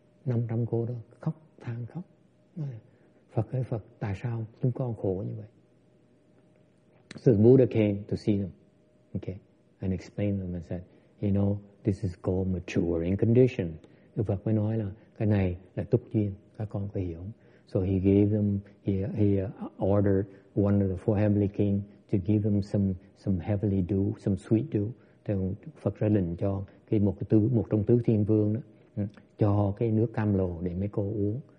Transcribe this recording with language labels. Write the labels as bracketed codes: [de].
[vi] 500 cô đó khóc than khóc, Phật ơi Phật, tại sao chúng con khổ như vậy? [en] So Buddha came to see them, okay, and explain them and said, you know, this is called maturing condition. [vi] Đức Phật mới nói là cái này là túc duyên, các con phải hiểu. [en] So he gave them, he ordered one of the four heavenly kings to give them some heavenly dew, some sweet dew. [vi] Thì Phật ra lệnh cho cái một trong tứ thiên vương đó cho cái nước cam lồ để mấy cô uống.